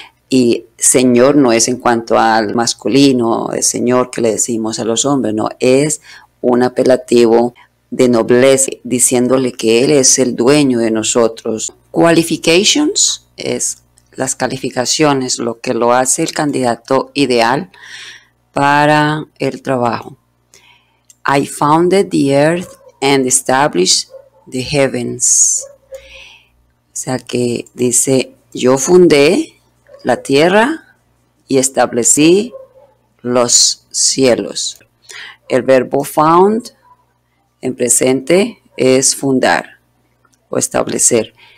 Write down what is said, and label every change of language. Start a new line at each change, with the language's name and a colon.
Spanish: Y Señor no es en cuanto al masculino, el Señor que le decimos a los hombres, no, es un apelativo de nobleza, diciéndole que Él es el dueño de nosotros. Qualifications es las calificaciones, lo que lo hace el candidato ideal para el trabajo.
English: I founded the earth and established the heavens.
Spanish: O sea que dice, yo fundé la tierra y establecí los cielos. El verbo found en presente es fundar o establecer.